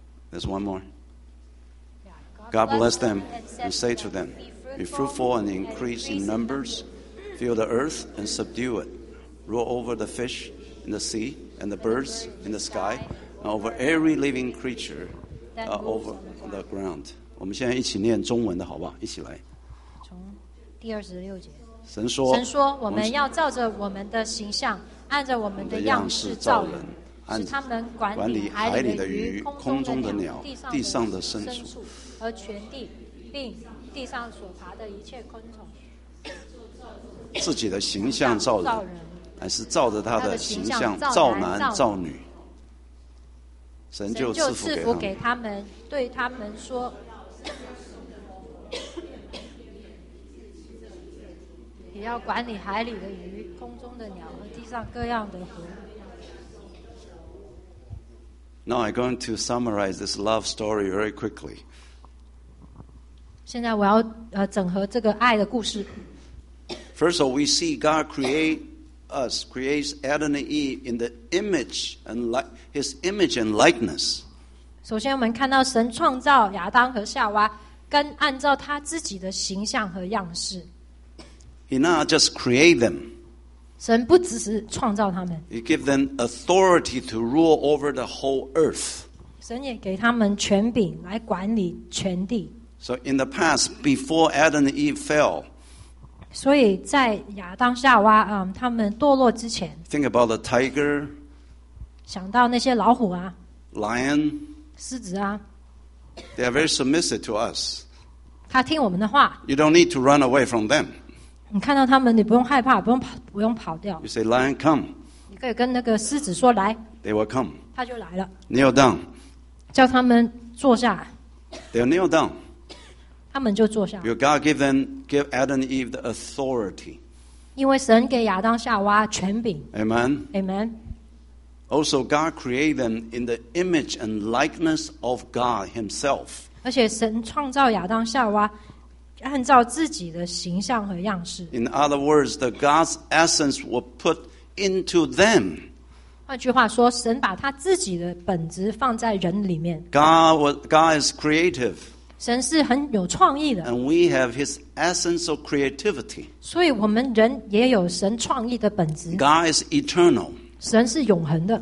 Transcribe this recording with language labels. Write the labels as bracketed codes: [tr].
[en] There's one more. God bless them and say to them, Be fruitful and increase in numbers. Fill the earth and subdue it. Rule over the fish in the sea and the birds in the sky and over every living creature over the ground. [zh] 我们现在一起念中文的好不好？一起来。从第二十六节。神说我们要照着我们的形象，按着我们的样式造人。是他们管理海里的鱼空中的鸟地上的牲畜和全地并地上所爬的一切昆虫，自己的形象造人，乃是照着他的形象造男造女，神就赐福给他们，对他们说，也要管理海里的鱼、空中的鸟和地上各样的河。 [en] Now I'm going to summarize this love story very quickly. [zh] 现在我要整合这个爱的故事。 [en] First of all, we see God creates Adam and Eve in the image and His image and likeness. [zh] 首先，我们看到神创造亚当和夏娃，跟按照他自己的形象和样式。 [en] He not just create them. [zh] 神不只是创造他们。 [en] He give them authority to rule over the whole earth. [zh] 神也给他们权柄来管理全地。 [en] So in the past, before Adam and Eve fell. [zh] 所以在亚当夏娃他们堕落之前。 [en] Think about the tiger. [zh] 想到那些老虎啊。 [en] Lion. [zh] 狮子啊。 [en] They are very submissive to us. [zh] 他听我们的话。 [en] You don't need to run away from them. [zh] 你看到他们，你不用害怕，不用跑掉。 [en] You say, "Lion, come." [zh] 你可以跟那个狮子说来。 [en] They will come. [zh] 他就来了。 [en] Kneel down. [zh] 叫他们坐下。 [en] They'll kneel down. [zh] 他们就坐下。 [en] Because God give Adam and Eve the authority. [zh] 因为神给亚当夏娃权柄。 [en] Amen. Amen. Also, God created them in the image and likeness of God Himself. [zh] 而且神创造亚当夏娃。按照自己的形象和样式。 [en] In other words, the God's essence was put into them. [zh] 换句话说，神把他自己的本质放在人里面。 [en] God is creative. [zh] 神是很有创意的。 [en] And we have His essence of creativity. [zh] 所以我们人也有神创意的本质。 [en] God is eternal. [zh] 神是永恒的。